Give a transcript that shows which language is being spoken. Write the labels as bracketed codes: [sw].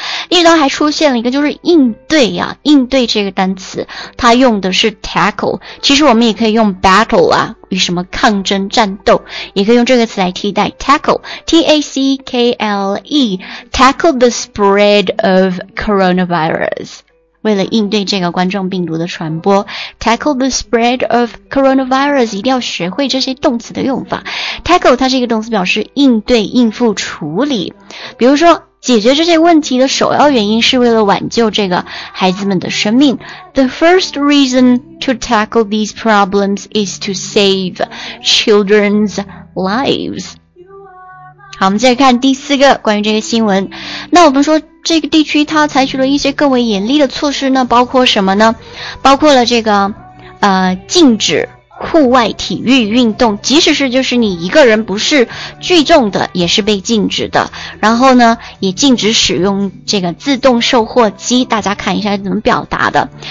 [zh] 另一段还出现了一个，就是应对啊，应对这个单词，它用的是 tackle， 其实我们也可以用 battle 啊，与什么抗争战斗，也可以用这个词来替代 tackle [en] tackle the spread of coronavirus， [zh] 为了应对这个冠状病毒的传播， tackle the spread of coronavirus， 一定要学会这些动词的用法。 tackle 它是一个动词，表示应对应付处理，比如说解决这些问题的首要原因是为了挽救这个孩子们的生命。 [en] The first reason to tackle these problems is to save children's lives. [zh] 好，我们再看第四个关于这个新闻。那我们说这个地区它采取了一些更为严厉的措施呢，包括什么呢？包括了这个禁止户外体育运动，即使是就是你一个人不是聚众的也是被禁止的，然后呢也禁止使用这个自动售货机，大家看一下怎么表达的。